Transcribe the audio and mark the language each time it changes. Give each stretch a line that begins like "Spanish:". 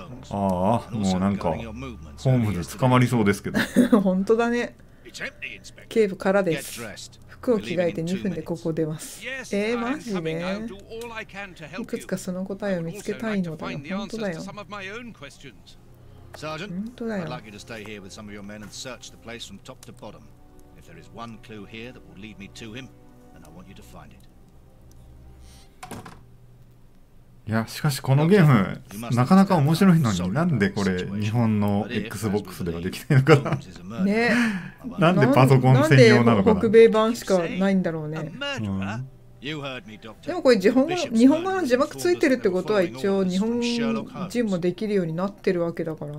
Japanese: ああ、もうなんかホームズ捕まりそうですけど。本当だね。警部からです。服を着替えて2分でここ出ます。マジね、いくつかその答えを見つけたいのだよ。本当だよ、本当だよ。
English: I'd like you to stay here with some of your men and search the placeIf there is one clue here that will lead me to him, then I want you to find it.
Japanese: いや、しかしこのゲームなかなか面白いのに、なんでこれ日本の Xbox ではできないのかな。ね、なんでパソコン専用なのかな。なんで北米版しかないんだろうね。うん、でもこれ日本語の字幕ついてるってことは、一応日本人もできるようになってるわけだから、